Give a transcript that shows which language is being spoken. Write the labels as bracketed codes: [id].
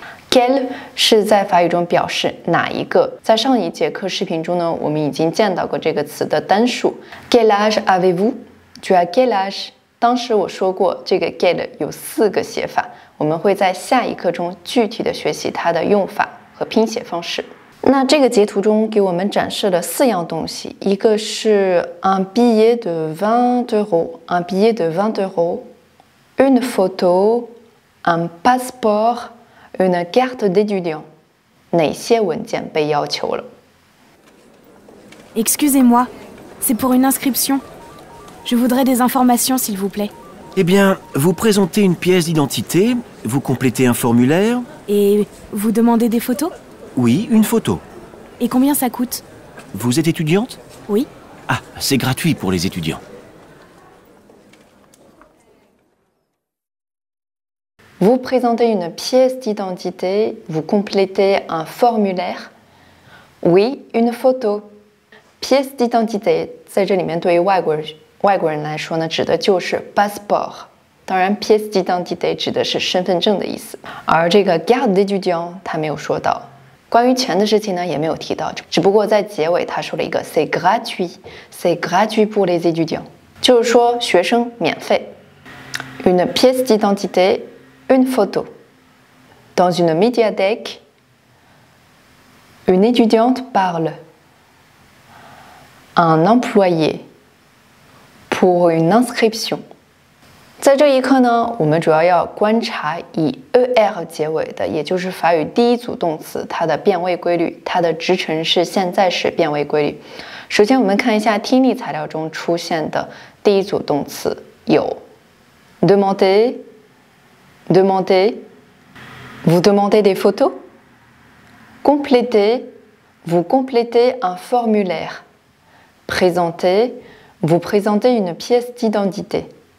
[zh] quel 是在法语中表示哪一个，在上一节课视频中呢，我们已经见到过这个词的单数。 [fr] quel âge avez-vous? Tu as quel âge? [zh] 当时我说过这个 get 有四个写法，我们会在下一课中具体的学习它的用法和拼写方式。那这个截图中给我们展示了四样东西，一个是 [fr] un billet de 20 euros， un billet de 20 euros， une photo， un passeport， une carte d'étudiant。 [zh] 哪些文件被要求了？ [fr] Excusez-moi, c'est pour une inscription。 Je voudrais des informations, s'il vous plaît. Eh bien, vous présentez une pièce d'identité, vous complétez un formulaire. Et vous demandez des photos? Oui, une photo. Et combien ça coûte? Vous êtes étudiante? Oui. Ah, c'est gratuit pour les étudiants. Vous présentez une pièce d'identité, vous complétez un formulaire. Oui, une photo. Pièce d'identité, c'est ici, dans les Ouïghours. [zh] 外国人来说呢，指的就是 passport， 当然 pièce d'identité 指的是身份证的意思，而这个 carte d'étudiant 他没有说到，关于钱的事情呢也没有提到，只不过在结尾他说了一个 [fr] c'est gratuit pour les étudiants， [zh] 就是说学生免费。 [fr] une pièce d'identité， une photo， dans une médiathèque， une étudiante parle， un employéPour une inscription. [zh] 在这一课呢，我们主要要观察以 er 结尾的，也就是法语第一组动词它的变位规律，它的直陈式现在时变位规律。首先我们看一下听力材料中出现的第一组动词，有 [fr] demander, demander, vous demandez des photos, compléter, vous complétez un formulaire, présenter,Vous présentez une pièce d'identité.